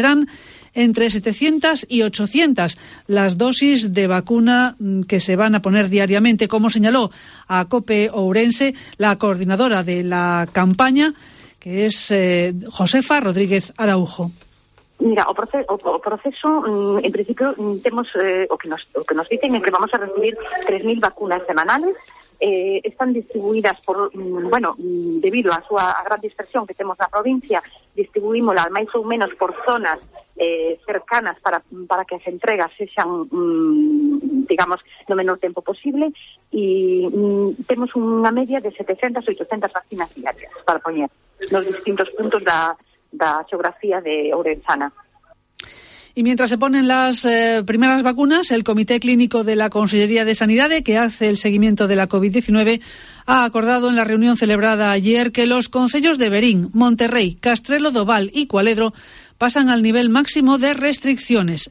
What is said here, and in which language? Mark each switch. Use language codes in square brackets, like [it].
[es] Serán entre 700 y 800 las dosis de vacuna que se van a poner diariamente, como señaló a COPE Ourense la coordinadora de la campaña, que es Josefa Rodríguez Araujo. Mira, [gl] o proceso, en principio, temos, [es] o que nos dicen es que vamos a recibir 3.000 vacunas semanales. [gl] Están distribuídas por, debido a súa gran dispersión que temos na provincia, distribuímola máis ou menos por zonas cercanas para que as entregas sexan, digamos, no menor tempo posible, e temos unha media de 700 ou 800 vacinas diarias para poñer nos distintos puntos da xeografía de Ourensana. [es] Y mientras se ponen las primeras vacunas, el Comité Clínico de la Consellería de Sanidad, que hace el seguimiento de la COVID-19, ha acordado en la reunión celebrada ayer que los concellos de Berín, Monterrey, Castrelo Doval y Cualedro pasan al nivel máximo de restricciones.